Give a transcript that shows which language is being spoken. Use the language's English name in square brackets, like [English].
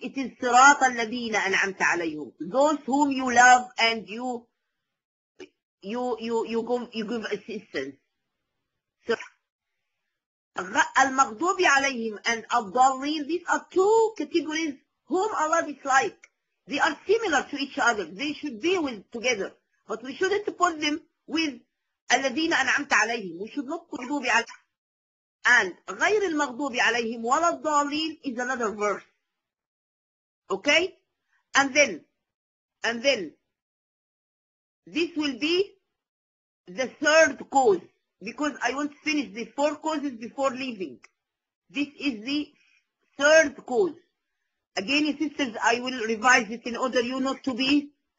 [English] It is [Arabic] صراط الذين أنعمت عليهم. [English] Those whom you love and you give assistance. [Arabic] المغضوب عليهم [English] and [Arabic] الضالين. [English] These are two categories whom Allah dislike. They are similar to each other. They should be with together. But we shouldn't put them with [Arabic] الذين أنعمت عليهم. [English] We should not put [Arabic] المغضوب عليهم. And غير المغضوب عليهم ولا الضالين [English] is another verse. Okay? And then, this will be the third cause. Because I want to finish the four causes before leaving. This is the third cause. Again, sisters, I will revise it in order you not to be.